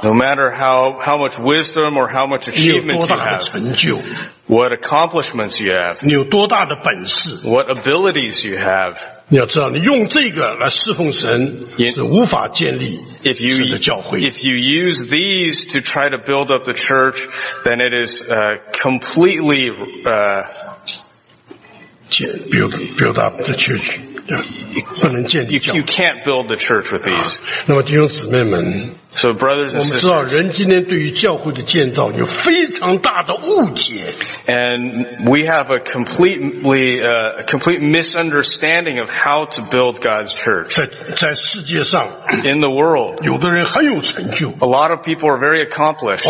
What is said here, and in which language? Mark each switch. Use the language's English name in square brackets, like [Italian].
[English] No matter how much wisdom or how much achievement you have. [Chinese] 你有多大的成就 [English] What accomplishments you have. [Chinese] 你有多大的本事 [English] What abilities you have. [Chinese] 你要知道，你用这个来侍奉神是无法建立神的教会。 [English] If you use these to try to build up the church, then it is completely build up the church. [Chinese] 不能建立教会。 [English] You can't build the church with these. [Chinese] 那么弟兄姊妹们 [English] ，So brothers and sisters, [Chinese] 我们知道人今天对于教会的建造有非常大的误解。 [English] And we have a complete misunderstanding of how to build God's church. [Chinese] 在世界上 [English] ，In the world, [Chinese] 有的人很有成就。 [English] A lot of people are very accomplished.